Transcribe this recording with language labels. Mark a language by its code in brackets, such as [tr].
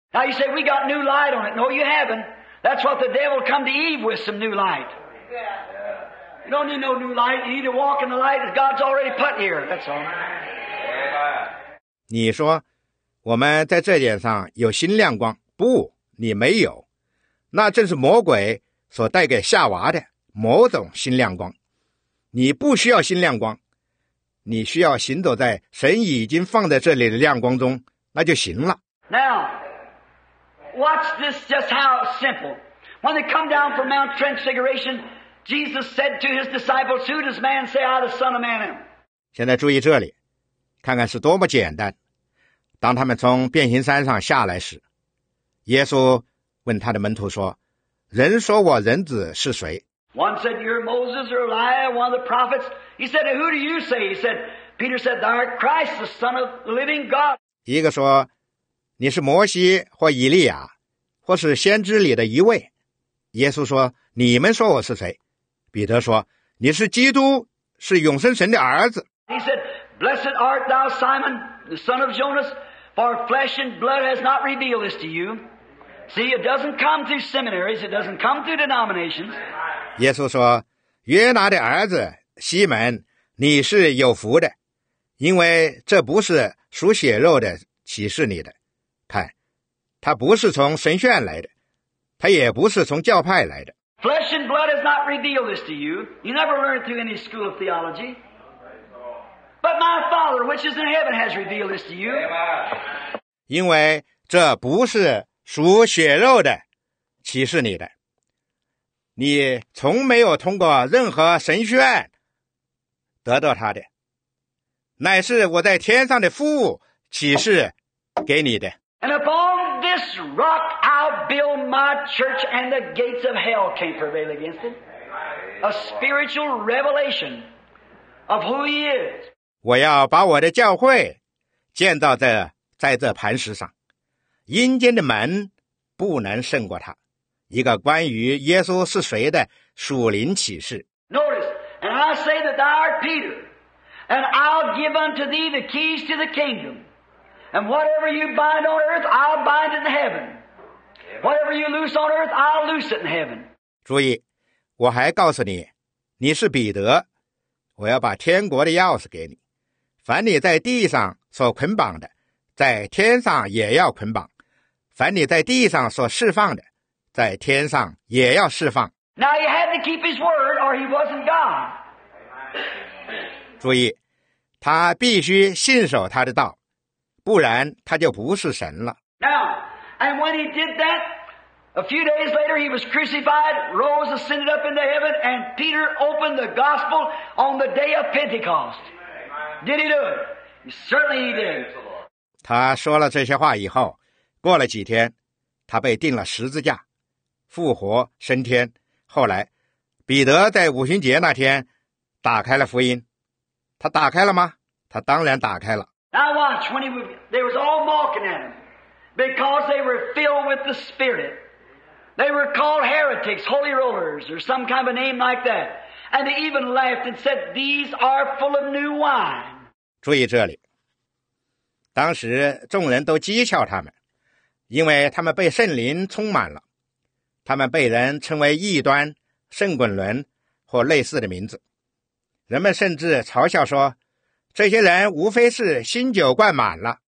[en] Now you say, we got new light on it. No, you haven't. That's what the devil come to Eve with, some new light. You don't need no new light. You need to walk in the light that God's already put here. That's all. [zh] 你说我们在这点上有新亮光，不，你没有，那正是魔鬼所带给夏娃的某种新亮光。你不需要新亮光，你需要行走在神已经放在这里的亮光中，那就行了。 [en] Now, watch this just how simple. When they come down from Mount Transfiguration, Jesus said to his disciples, Who does man say I, the Son of Man am? [zh] 现在注意这里，看看是多么简单。当他们从变形山上下来时，耶稣问他的门徒说，人说我人子是谁？ [en] One said, you're Moses or Elijah, one of the prophets. He said, who do you say? He said, Peter said, thou art Christ, the son of the living God. [zh] 一个说，你是摩西或以利亚，或是先知里的一位。耶稣说，你们说我是谁？彼得说，你是基督，是永生神的儿子。 [en] He said, blessed art thou, Simon, the son of Jonas, for flesh and blood has not revealed this to you. See, it doesn't come through seminaries, it doesn't come through denominations. [zh] 耶稣说，约拿的儿子西门，你是有福的，因为这不是属血肉的启示你的。看，他不是从神眷来的，他也不是从教派来的。 [en] Flesh and blood has not revealed this to you. You never learned through any school of theology. But my Father, which is in heaven, has revealed this to you. [zh] 因为这不是属血肉的启示你的。你从没有通过任何神学院得到他的，乃是我在天上的父启示给你的。 [en] And upon this rock I'll build my church, and the gates of hell can't prevail against it. A spiritual revelation of who he is. [zh] 我要把我的教会建造在这磐石上，阴间的门不能胜过他。一个关于耶稣是谁的属灵启示。 [en] Notice, and I say that thou art Peter, and I'll give unto thee the keys to the kingdom. And whatever you bind on earth, I'll bind in heaven. Whatever you loose on earth, I'll loose it in heaven. [zh] 注意，我还告诉你，你是彼得，我要把天国的钥匙给你。凡你在地上所捆绑的，在天上也要捆绑；凡你在地上所释放的，在天上也要释放。 [en] Now he had to keep his word, or he wasn't God. [zh] 注意，他必须信守他的道。不然他就不是神了。 [en] Now, and when he did that, a few days later he was crucified, rose, ascended up into heaven, and Peter opened the gospel on the day of Pentecost. Did he do it? Certainly he did. [zh] 他说了这些话以后，过了几天，他被钉了十字架，复活升天。后来，彼得在五旬节那天打开了福音。他打开了吗？他当然打开了。 [en] Now watch, when they was all mocking at him, because they were filled with the Spirit. They were called heretics, holy rollers, or some kind of a name like that. And they even laughed and said, these are full of new wine. [zh] 注意这里，当时众人都讥诮他们，因为他们被圣灵充满了，他们被人称为异端、圣滚轮或类似的名字。人们甚至嘲笑说，这些人无非是新酒灌满了。